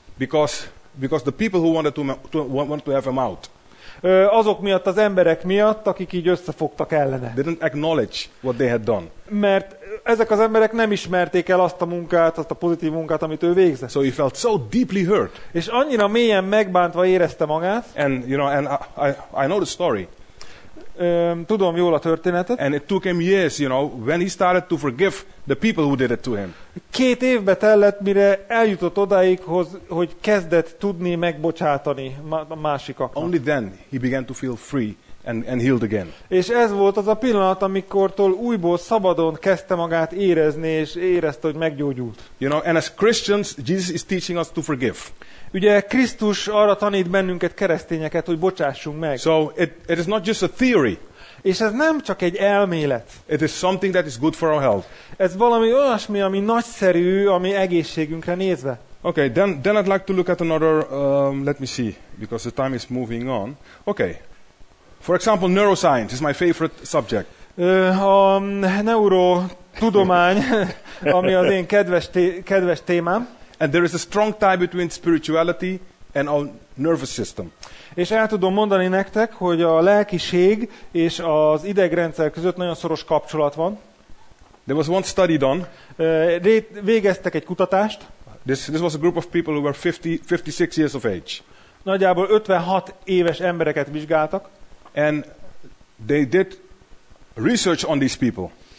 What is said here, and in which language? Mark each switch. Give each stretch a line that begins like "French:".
English: Because the people who wanted to have him out.
Hungarian: Azok miatt, az emberek miatt, akik így összefogtak ellene.
English: Didn't acknowledge what they had done.
Hungarian: Mert ezek az emberek nem ismerték el azt a munkát, azt a pozitív munkát, amit ő végzett.
English: So he felt so deeply hurt.
Hungarian: És annyira mélyen megbántva érezte magát.
English: And you know, and I know the story.
Hungarian: Tudom jól a történetet.
English: And it took him years, you know, when he started to forgive the people who did it to him.
Hungarian: Két évbe tellett, mire eljutott odáig, hogy kezdett tudni megbocsátani a másikaknak.
English: Only then he began to feel free and healed again.
Hungarian: És ez volt az a pillanat, amikortól újból szabadon kezdte magát érezni, és érezte, hogy meggyógyult.
English: You know, and as Christians, Jesus is teaching us to forgive.
Hungarian: Ugye Krisztus arra tanít bennünket, keresztényeket, hogy bocsássunk meg.
English: So it is not just a theory.
Hungarian: És ez nem csak egy elmélet.
English: It is something that is good for our health.
Hungarian: Ez valami olyasmi, ami nagyszerű, ami egészségünkre nézve.
English: Okay, then I'd like to look at another, let me see, because the time is moving on. Okay. For example, neuroscience is my favorite subject.
Hungarian: A neurotudomány, ami az én kedves témám.
English: And there is a strong tie between spirituality and our nervous system.
Hungarian: És el tudom mondani nektek, hogy a lelkiség és az idegrendszer között nagyon szoros kapcsolat van.
English: There was one study done.
Hungarian: Végeztek egy kutatást.
English: This was a group of people who were 56 years of age.
Hungarian: Nagyjából 56 éves embereket vizsgáltak.
English: And they did research on these people.